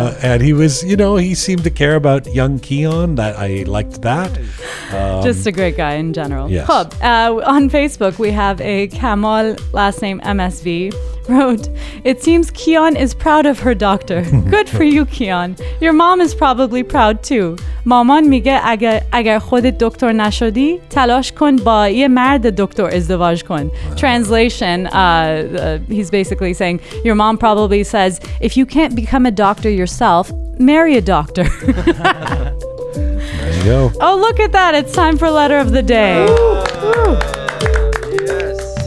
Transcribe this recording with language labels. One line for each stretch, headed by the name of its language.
English: and he was, you know, he seemed to care about young Keon. That I liked that. Just a great guy in general. Yes. On Facebook, we have a Kamal, last name MSV, wrote, "It seems Keon is proud of her doctor. Good for you, Keon. Your mom is probably proud too.
Persian: مامان میگه اگر خودت دکتر نشدی تلاش کن با یه مرد دکتر ازدواج کن."
English: Translation, he's basically saying, your mom probably says, if you can't become a doctor yourself, marry a doctor. There you go. Oh, look at that. It's time for letter of the day. Yes.